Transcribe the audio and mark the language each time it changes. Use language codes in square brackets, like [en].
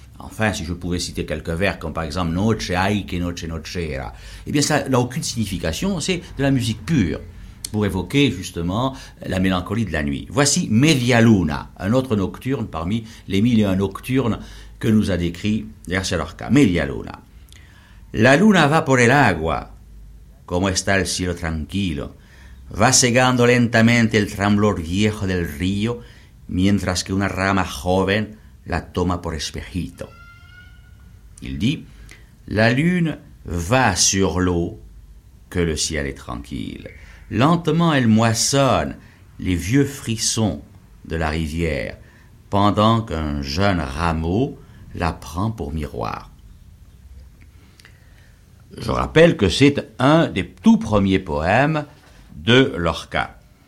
[fr] Enfin, si je pouvais citer quelques vers, comme par exemple « [es] Noche hay que noche nochera [fr] », eh bien, ça n'a aucune signification, c'est de la musique pure, pour évoquer justement la mélancolie de la nuit. Voici « Media Luna », un autre nocturne parmi les mille et un nocturnes que nous a décrit Garcia Lorca. « Media Luna ». [es] « La luna va por el agua, como está el cielo tranquilo, va cegando lentamente el tremblor viejo del río, mientras que una rama joven la toma por espejito. » [fr] Il dit « La lune va sur l'eau, que le ciel est tranquille. Lentement elle moissonne les vieux frissons de la rivière, pendant qu'un jeune rameau la prend pour miroir. » Je rappelle que c'est un des tout premiers poèmes de Lorca.